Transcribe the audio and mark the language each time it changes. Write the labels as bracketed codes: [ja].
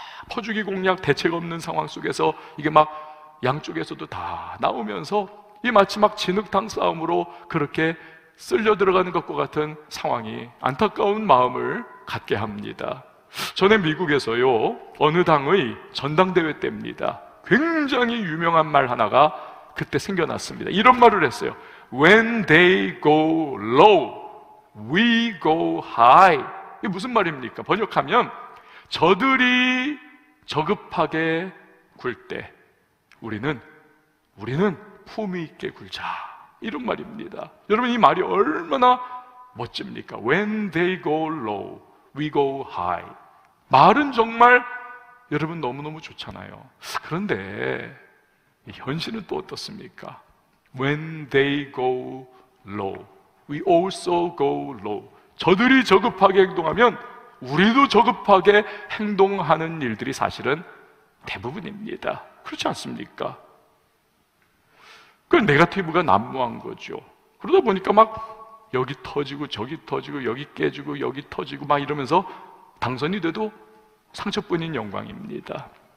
[ko] 퍼주기 공략 대책 없는 상황 속에서 이게 막 양쪽에서도 다 나오면서 이 마치 막 진흙탕 싸움으로 그렇게 쓸려 들어가는 것과 같은 상황이 안타까운 마음을 갖게 합니다. 전에 미국에서요 어느 당의 전당대회 때입니다. 굉장히 유명한 말 하나가 그때 생겨났습니다. 이런 말을 했어요. [en] When they go low, we go high. [ko] 이게 무슨 말입니까? 번역하면 저들이 저급하게 굴 때 우리는 품위 있게 굴자, 이런 말입니다. 여러분, 이 말이 얼마나 멋집니까? [en] When they go low, we go high. [ko] 말은 정말 여러분 너무너무 좋잖아요. 그런데 현실은 또 어떻습니까? [en] When they go low, we also go low. [ko] 저들이 저급하게 행동하면 우리도 저급하게 행동하는 일들이 사실은 대부분입니다. 그렇지 않습니까? 그 네거티브가 난무한 거죠. 그러다 보니까 막 여기 터지고 저기 터지고 여기 깨지고 여기 터지고 막 이러면서 당선이 돼도 상처뿐인 영광입니다.